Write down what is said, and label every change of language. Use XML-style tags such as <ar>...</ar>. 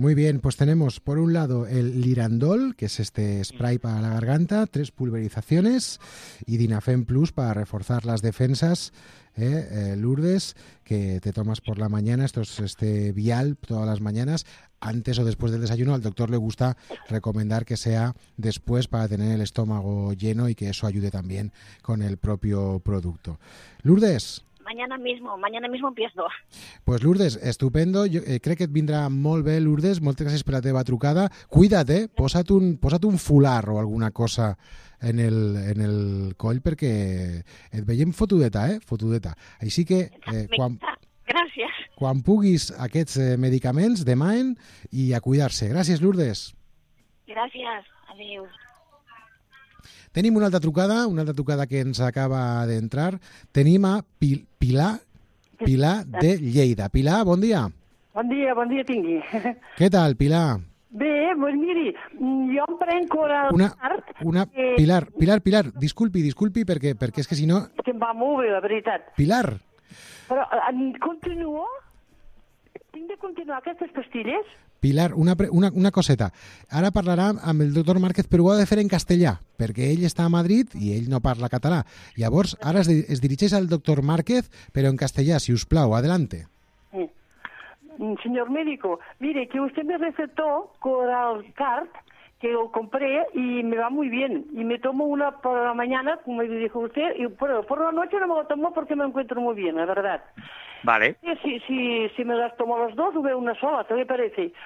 <es>Muy bien, pues tenemos por un lado el Lirandol, que es este spray para la garganta, 3 pulverizaciones, y Dinafen Plus para reforzar las defensas, Lourdes, que te tomas por la mañana, esto es este vial todas las mañanas, antes o después del desayuno. Al doctor le gusta recomendar que sea después, para tener el estómago lleno y que eso ayude también con el propio producto. Lourdes. Mañana mismo empiezo. Pues Lourdes, estupendo.</es> <ca>Yo crec que et vindrà molt bé, Lourdes. Moltes gràcies per la teva trucada. Cuida't, posa't un fular o alguna cosa en el coll, perquè et veiem fotudeta, fotudeta. Així que quan... Gràcies. Quan puguis, aquests medicaments, demanen, i a cuidar-se. Gràcies, Lourdes. Gràcies. Adéu. Tenim una altra trucada que ens acaba d'entrar. Tenim a Pilar de Lleida. Pilar, bon dia. Bon dia tingui. Què tal, Pilar? Bé, doncs miri, jo em prenco la... Pilar, disculpi, perquè és que si no... És que em va molt bé, la veritat. Pilar. Però continuo? Tinc de continuar aquestes pastilles? Pilar, una coseta. Ara parlarà amb el doctor Márquez, però ho ha de fer en castellà, perquè ell està a Madrid i ell no parla català. Llavors, ara es dirigeix al doctor Márquez, però en castellà, si us plau, adelante.</ca> <es>Sí. Señor médico, mire, que usted me recetó Coralcard, que lo compré y me va muy bien. Y me tomo una por la mañana, como dijo usted, y por la noche no me lo tomo porque me encuentro muy bien, la verdad. Vale. Si me las tomo las dos, veo una sola, ¿qué le parece?</es>